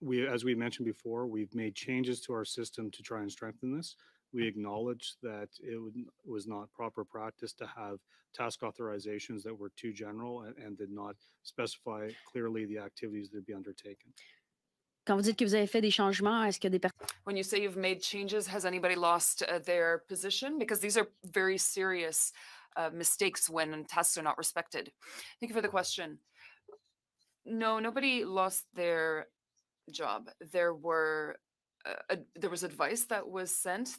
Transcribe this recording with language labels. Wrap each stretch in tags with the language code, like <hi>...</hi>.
<en>as we mentioned before, we've made changes to our system to try and strengthen this. We acknowledge that it was not proper practice to have task authorizations that were too general and did not specify clearly the activities that would be undertaken.</en> <fr>Quand vous dites que vous avez fait des changements, est-ce qu'il y a des personnes...</fr> <en>When you say you've made changes, has anybody lost their position? Because these are very serious mistakes when tasks are not respected. Thank you for the question. No, nobody lost their job. There were there was advice that was sent.</en>